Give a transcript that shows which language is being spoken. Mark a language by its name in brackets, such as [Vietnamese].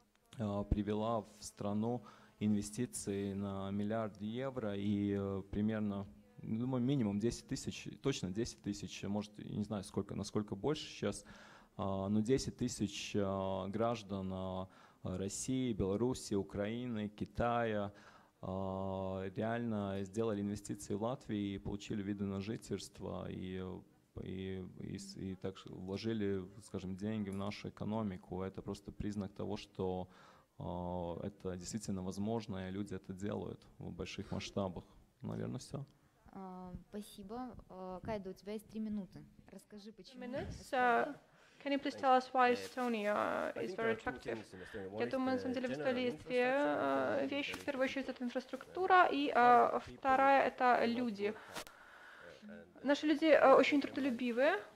[Russian] привела в страну инвестиции на 1 миллиард евро и примерно, думаю, минимум 10 тысяч, точно 10 тысяч, может, не знаю, сколько, насколько больше сейчас, но 10 тысяч граждан России, Беларуси, Украины, Китая реально сделали инвестиции в Латвию и получили виды на жительство и так вложили, скажем, деньги в нашу экономику. Это просто признак того, что это действительно возможно, и люди это делают в больших масштабах. Наверное, все. Спасибо. Кайда, у тебя есть 3 минуты. Расскажи, почему. [English] Can you please tell us why Estonia is very attractive? [Russian] Я думаю, на самом деле, в Эстонии есть две вещи. В первую очередь, это инфраструктура, и вторая – это люди. Наши люди очень трудолюбивые.